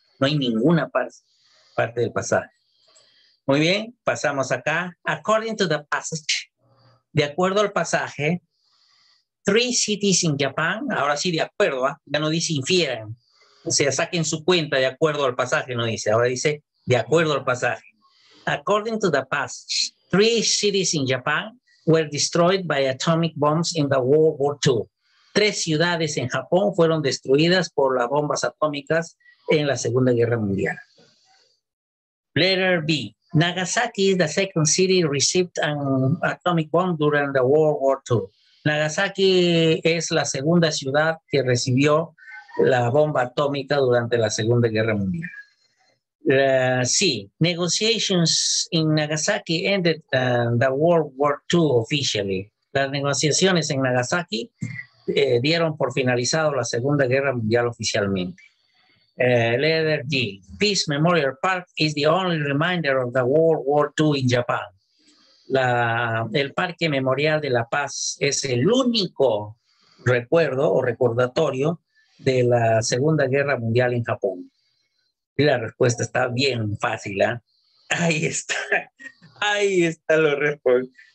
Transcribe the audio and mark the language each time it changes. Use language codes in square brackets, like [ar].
[es] No hay ninguna parte del pasaje. Muy bien, pasamos acá. [en] According to the passage, [es] de acuerdo al pasaje, [en] 3 cities in Japan, [es] ahora sí de acuerdo, ya no dice infieren, o sea, saquen su cuenta de acuerdo al pasaje, no dice, ahora dice de acuerdo al pasaje. [en] According to the passage, 3 cities in Japan were destroyed by atomic bombs in the World War II. [es] 3 ciudades en Japón fueron destruidas por las bombas atómicas en la Segunda Guerra Mundial. [en] Letter B. Nagasaki is the second city received an atomic bomb during the World War II. [es] Nagasaki es la segunda ciudad que recibió la bomba atómica durante la Segunda Guerra Mundial. [en] Sí, negotiations in Nagasaki ended the World War II officially. [es] Las negociaciones en Nagasaki dieron por finalizado la Segunda Guerra Mundial oficialmente. [en] Letter D. Peace Memorial Park is the only reminder of the World War II in Japan. [es] El Parque Memorial de la Paz es el único recuerdo o recordatorio de la Segunda Guerra Mundial en Japón. Y la respuesta está bien fácil, ¿eh? Ahí está lo respondido.